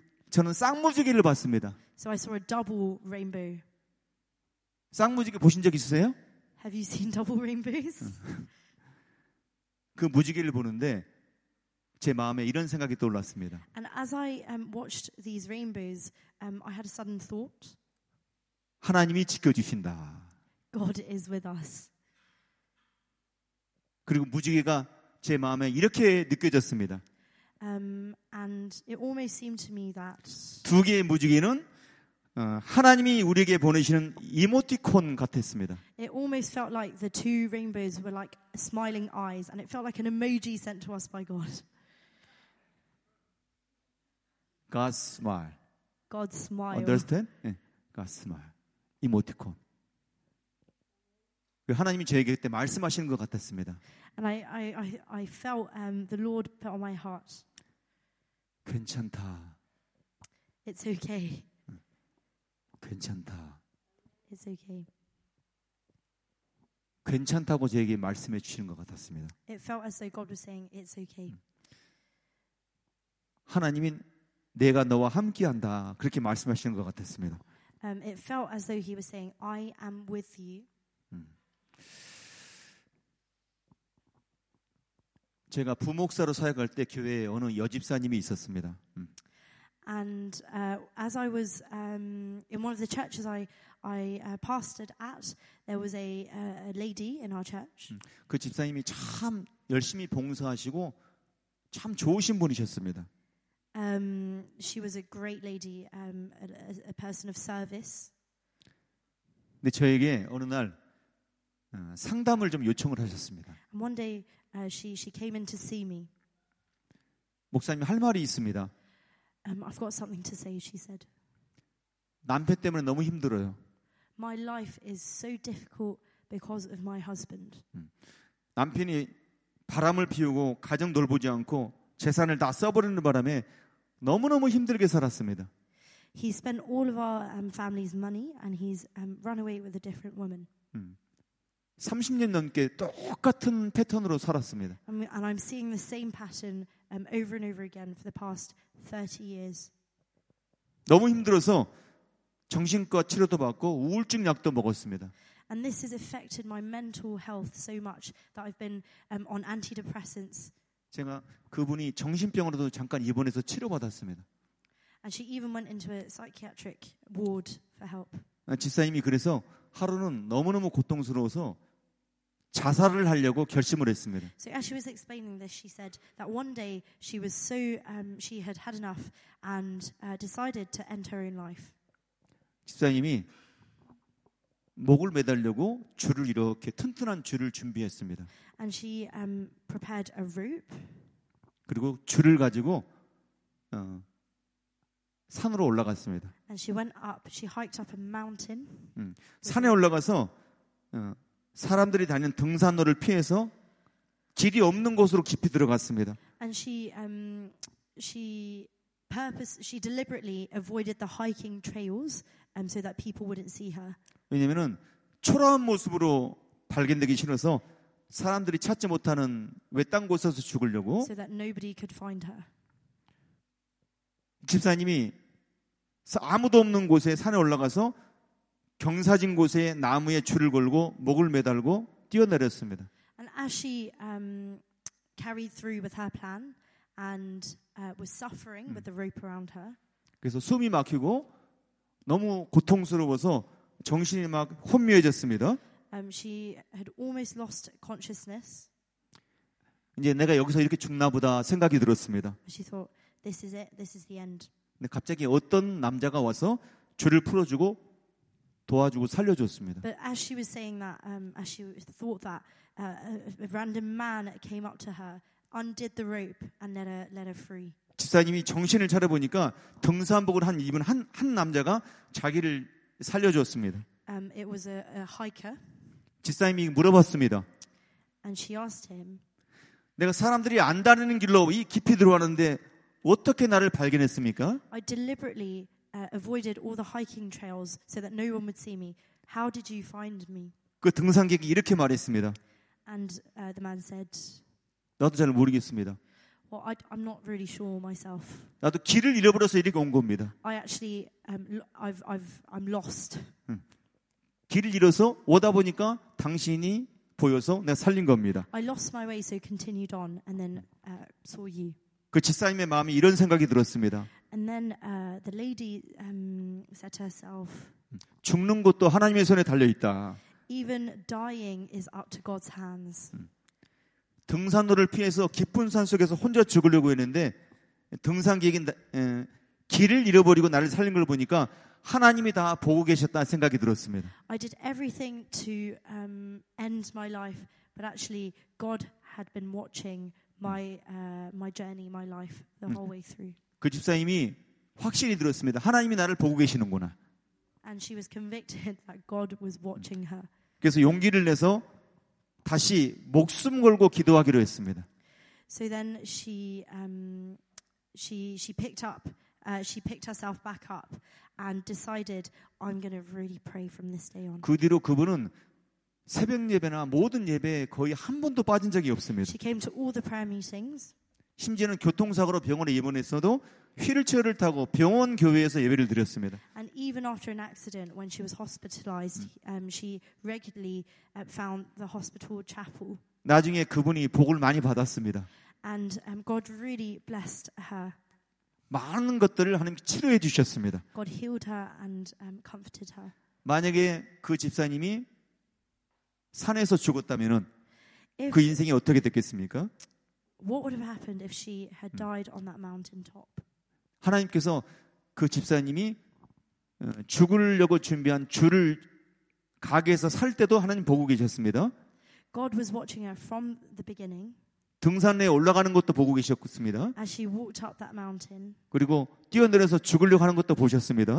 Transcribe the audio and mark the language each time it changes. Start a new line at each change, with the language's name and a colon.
Korean: 저는 쌍무지개를 봤습니다.
English: So I saw a double rainbow.
Korean: 쌍무지개 보신 적 있으세요?
English: Have you seen double rainbows?
Korean: 그 무지개를 보는데 제 마음에 이런 생각이 떠올랐습니다.
English: And as I watched these rainbows, I had a sudden thought.
Korean: 하나님이 지켜주신다.
English: God is with us.
Korean: 그리고 무지개가 제 마음에 이렇게 느껴졌습니다.
English: And it almost seemed to me that
Korean: 두 개의 무지개는 하나님이 우리에게 보내시는 이모티콘 같았습니다.
English: It almost felt like the two rainbows were like smiling eyes, and it felt like an emoji sent to us by God. God's smile. God's smile. Understand? God's smile. 이모티콘.
Korean: 하나님이 저에게 그때 말씀하시는 것 같았습니다.
English: And I felt the Lord put on my heart.
Korean: 괜찮다.
English: It's okay.
Korean: 괜찮다.
English: It's okay.
Korean: 괜찮다고 저에게 말씀해 주시는 것 같았습니다.
English: It felt as though God was saying it's okay.
Korean: 하나님은 내가 너와 함께한다 그렇게 말씀하시는 것 같았습니다.
English: It felt as though He was saying I am with you.
Korean: 제가 부목사로 사역할 때 교회에 어느 여집사님이 있었습니다.
English: And as I was in one of the churches I pastored at, there was a lady in our church.
Korean: 그 집사님이 참 열심히 봉사하시고 참 좋으신 분이셨습니다.
English: She was a great lady, a person of service.
Korean: 근데 저에게 어느 날 상담을 좀 요청을 하셨습니다.
English: And one day she came in to see me.
Korean: 목사님 할 말이 있습니다.
English: I've got something to say, she said.
Korean: 남편 때문에 너무 힘들어요.
English: My life is so difficult because of my husband.
Korean: 남편이 바람을 피우고 가정 돌보지 않고 재산을 다 써버리는 바람에 너무너무 힘들게 살았습니다.
English: He spent all of our family's money and he's run away with a different woman.
Korean: 30년 넘게 똑같은 패턴으로 살았습니다.
English: And I'm seeing the same pattern over and over again for the past 30 years.
Korean: 너무 힘들어서 정신과 치료도 받고 우울증 약도 먹었습니다.
English: And this has affected my mental health so much that I've been on antidepressants.
Korean: 제가 그분이 정신병으로도 잠깐 입원해서 치료받았습니다.
English: And she even went into a psychiatric ward for help.
Korean: 집사님이 그래서 하루는 너무너무 고통스러워서 자살을 하려고 결심을 했습니다.
English: So as she was explaining this, she said that one day she was so she had had enough and decided to end her own life.
Korean: 집사님이 목을 매달려고 줄을 이렇게 튼튼한 줄을 준비했습니다.
English: And she prepared a rope.
Korean: 그리고 줄을 가지고 산으로 올라갔습니다.
English: And she went up. She hiked up a mountain.
Korean: 산에 올라가서 사람들이 다니는 등산로를 피해서 길이 없는 곳으로 깊이 들어갔습니다.
English: And she deliberately avoided the hiking trails so that people wouldn't see her.
Korean: 왜냐면은 초라한 모습으로 발견되기 싫어서 사람들이 찾지 못하는 외딴 곳에서 죽으려고.
English: So that nobody could find her.
Korean: 집사님이 아무도 없는 곳에 산에 올라가서 경사진 곳에 나무에 줄을 걸고 목을 매달고 뛰어내렸습니다.
English: And as she carried through with her plan and was suffering with the rope around her.
Korean: 그래서 숨이 막히고 너무 고통스러워서 정신이 막 혼미해졌습니다.
English: she had almost lost consciousness.
Korean: 이제 내가 여기서 이렇게 죽나보다 생각이 들었습니다.
English: She thought, "This is it. This is the end."
Korean: 근데 갑자기 어떤 남자가 와서 줄을 풀어주고 도와주고 살려줬습니다.
English: But as she was saying that, as she thought that, a random man came up to her, undid the rope, and let her free.
Korean: 집사님이 정신을 차려 보니까 등산복을 한 입은 한 남자가 자기를 살려줬습니다.
English: It was a hiker.
Korean: 집사님이 물어봤습니다.
English: And she asked him.
Korean: 내가 사람들이 안다는 길로 이 깊이 들어왔는데 어떻게 나를 발견했습니까?
English: I deliberately avoided all the hiking trails so that no one would see me. How did you find me?
Korean: 그 등산객이 이렇게 말했습니다.
English: And the man said.
Korean: 나도 잘 모르겠습니다.
English: Well, I'm not really sure myself.
Korean: 나도 길을 잃어버려서 이렇게 온 겁니다.
English: I actually I'm lost.
Korean: 길을 잃어서 오다 보니까 당신이 보여서 내가 살린 겁니다.
English: I lost my way, so continued on, and then saw you.
Korean: 그 집사님의 마음이 이런 생각이 들었습니다.
English: And then the lady said to herself.
Korean: 죽는 것도 하나님의 손에 달려 있다.
English: Even dying is up to God's hands.
Korean: 등산로를 피해서 깊은 산 속에서 혼자 죽으려고 했는데 등산객이 길을 잃어버리고 나를 살린 걸 보니까 하나님이 다 보고 계셨다 생각이 들었습니다.
English: I did everything to end my life, but actually God had been watching my journey, my life the whole way through.
Korean: 그 집사님이 확신이 들었습니다. 하나님이 나를 보고 계시는구나.
English: And she was convicted that God was watching her.
Korean: 그래서 용기를 내서 다시 목숨 걸고 기도하기로 했습니다.
English: So then she picked herself back up and decided I'm going to really pray from this day on.
Korean: 그 뒤로 그분은 새벽 예배나 모든 예배에 거의 한 번도 빠진 적이 없습니다.
English: She came to all the prayer meetings.
Korean: 심지어는 교통사고로 병원에 입원했어도 휠체어를 타고 병원 교회에서 예배를 드렸습니다.
English: And even after an accident, when she was hospitalized, she regularly found the hospital chapel.
Korean: 나중에 그분이 복을 많이 받았습니다.
English: And God really blessed her.
Korean: 많은 것들을 하나님 치료해 주셨습니다.
English: God healed her and comforted her.
Korean: 만약에 그 집사님이 산에서 죽었다면은 그 인생이 어떻게 됐겠습니까?
English: What would have happened if she had died on that mountain top?
Korean: 하나님께서 그 집사님이 죽으려고 준비한 줄을 가게에서 살 때도 하나님 보고 계셨습니다.
English: God was watching her from the beginning.
Korean: 등산에 올라가는 것도 보고 계셨습니다.
English: As she walked up that mountain.
Korean: 그리고 뛰어내려서 죽으려고 하는 것도 보셨습니다.